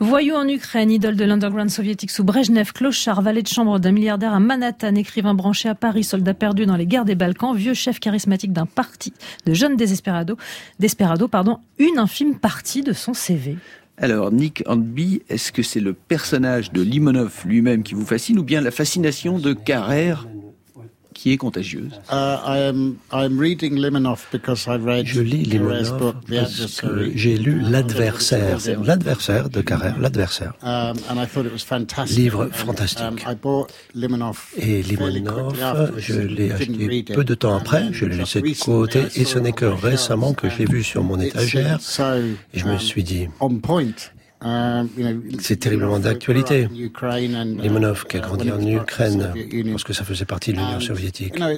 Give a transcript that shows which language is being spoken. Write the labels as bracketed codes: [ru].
[fr] Voyou en Ukraine, idole de l'underground soviétique sous Brejnev, clochard, valet de chambre d'un milliardaire à Manhattan, écrivain branché à Paris, soldat perdu dans les guerres des Balkans, vieux chef charismatique d'un parti de jeunes desperados, une infime partie de son CV. Alors, Nick Hornby, est-ce que c'est le personnage de Limonov lui-même qui vous fascine ou bien la fascination de Carrère qui est contagieuse? [en] I'm reading Limonov because I read [fr] Je lis Limonov parce [en] book, [fr] que j'ai lu L'Adversaire. L'Adversaire de Carrère, L'Adversaire. [en] And I thought it was fantastic. [fr] Livre fantastique. [en] I bought Limonov [fr] et Limonov, je l'ai acheté peu de temps après, je l'ai laissé de côté, et ce n'est que récemment que je l'ai vu sur mon étagère, et je me suis dit... [en] On point. [fr] C'est terriblement d'actualité. Limonov qui a grandi en Ukraine parce que ça faisait partie de l'Union soviétique.